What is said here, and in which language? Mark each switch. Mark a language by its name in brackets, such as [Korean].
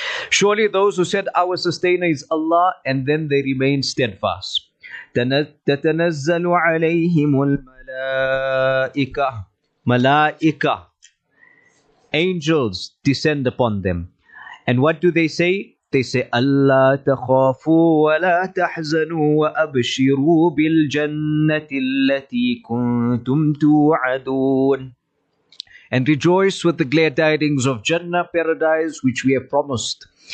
[English] Surely those who said our sustainer is Allah and then they remain steadfast. [Arabic] تَتَنَزَّلُ عَلَيْهِمُ الْمَلَائِكَةِ مَلَائِكَةِ [English] Angels descend upon them. And what do they say? They say, [Arabic] أَلَّا تَخَافُوا وَلَا تَحْزَنُوا وَأَبْشِرُوا بِالْجَنَّةِ الَّتِي كُنْتُمْ تُوعَدُونَ. [English] And rejoice with the glad tidings of Jannah, paradise, which we have promised.